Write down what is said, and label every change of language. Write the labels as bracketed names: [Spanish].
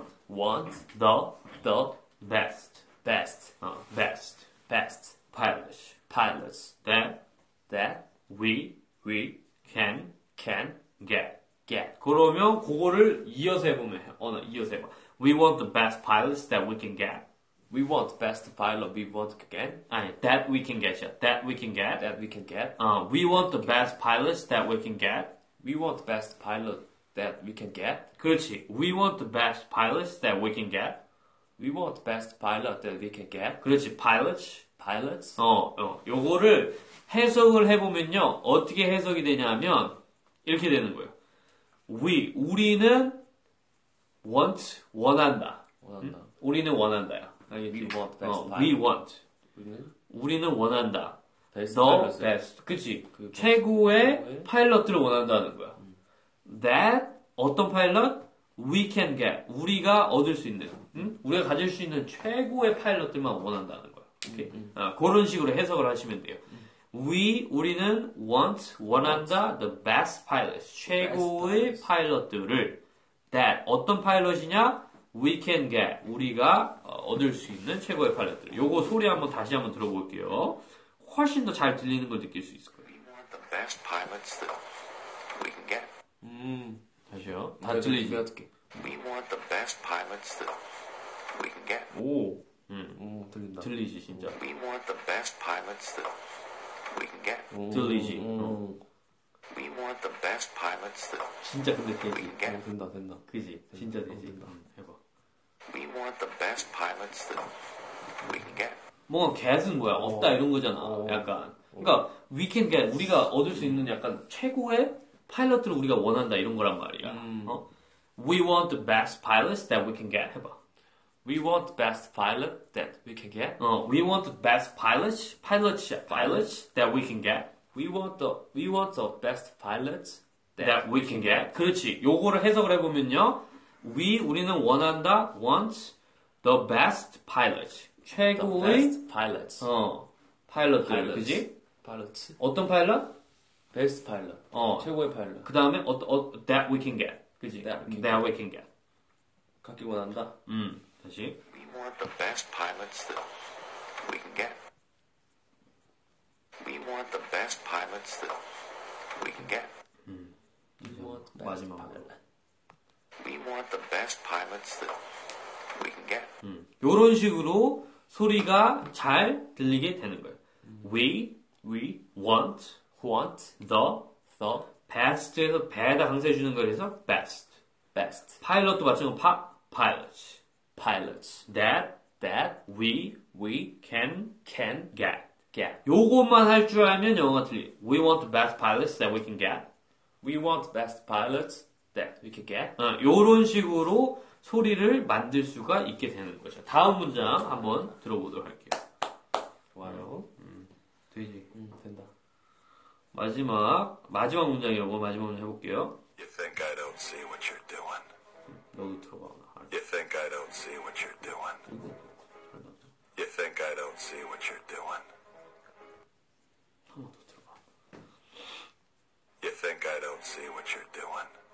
[English] want the best, best, pilot, pilots. That we can get. [Korean] 그러면 그거를 이어서 해보면 어느 이어서 해봐. [English] We want the best pilots that we can get. We want the best pilot we want to get. That we can get. Yeah. That we can get. That we can get. We want the best pilots that we can get. We want the best pilot that we can get. [Korean] 그렇지. [English] We want the best pilots that we can get. We want the best pilot that we can get. [Korean] 그렇지. Pilots. [English] Pilots. [Korean] 요거를 해석을 해보면요. 어떻게 해석이 되냐면 이렇게 되는 거예요. 우리는 원한다. 원한다. 우리는 원한다요. [English] We want. [Korean] 우리는 원한다. [English] The best. [Korean] 그치. 그 최고의 파일럿들을 원한다는 거야. That, 어떤 파일럿? [English] We can get. [Korean] 우리가 얻을 수 있는. 응? 우리가 가질 수 있는 최고의 파일럿들만 원한다는 거야. 그런 식으로 해석을 하시면 돼요. [English] We want, 원한다. The best pilots. [Korean] 최고의 best 파일럿들을. That, 어떤 파일럿이냐? [English] We can get. [Korean] 우리가 얻을 수 있는 최고의 파일럿들. 요거 소리 한번 다시 한번 들어볼게요. 훨씬 더 잘 들리는 걸 느낄 수 있을 거예요. [English] We want the best pilots that we can get. [Korean] 다시요. 다 들리지? [English] We want the best pilots that we can get. [Korean] 오. 들린다. 들리지, 진짜. [English] We want the best pilots that we can get. [Korean] 들리지. [English] We want the best pilots that [Korean] 진짜 근데 되지. 된다. 그지? 진짜 되지. 해봐. [English] We want the best pilots that we can get. [Korean] 뭔가 get은 뭐야? 없다 이런 거잖아. 약간. 그러니까 [English] we can get. [Korean] 우리가 얻을 수 있는 약간 최고의 파일럿들을 우리가 원한다 이런 거란 말이야. [English] We want the best pilots that we can get. [Korean] 해봐. [English] We want the best pilot that we can get. We want the best pilots. Pilots that we can get. We want the best pilots that we can get. [Korean] 그렇지. 요거를 해석을 해보면요. [English] We는 원한다. Want the best pilots. 최고의 the best pilots. [Korean] 파일럿들. 그지? 파일럿. 어떤 파일럿? 베스트 파일럿. 어. 최고의 파일럿. 그 다음에 [English] that we can get. [Korean] 그지? [English] That we can get. [Korean] 갖기 원한다. 다시. [English] We want the best pilots that we can get. We want the best pilots that we can get. We want the best 마지막 pilot. We want the best pilots that we can get. [Korean] 이런 식으로 소리가 잘 들리게 되는 거예요. [English] We want. Want the best [Korean] 에서 bad 항상 해주는 걸 해서 best pilot도 마찬가지로 pilots [English] that we can get [Korean] 요것만 할 줄 알면 영어가 틀려 [English] we want the best pilots that we can get we want the best pilots that we can get [Korean] 요런 식으로 소리를 만들 수가 있게 되는 거죠 다음 문장 한번 들어보도록 할게요 좋아요 되지 된다 마지막 문장이요. 뭐 마지막 문장 해볼게요. [English] You think I don't see what you're doing. [Korean] 너도 들어봐. [English] You think I don't see what you're doing. You think I don't see what you're doing. [Korean] 한 번 더 들어봐. [English] You think I don't see what you're doing.